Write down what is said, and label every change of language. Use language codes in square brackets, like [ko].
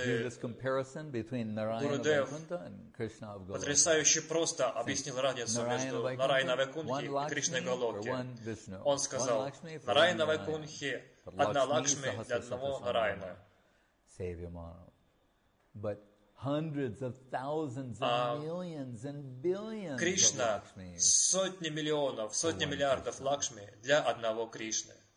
[en] way to do this comparison between Narayana Vaikuntha and Krishna of Golok. [ru] Потрясающе просто объяснил разницу между Нараяна Вайкунхи и Кришной Голоки. Он сказал, Нараяна Вайкунхи – одна Лакшми для одного Нараяна. Сейвьямана. [en] But hundreds of thousands and millions and billions of [ru] Кришна – сотни миллионов, сотни миллиардов Лакшми для одного Кришны.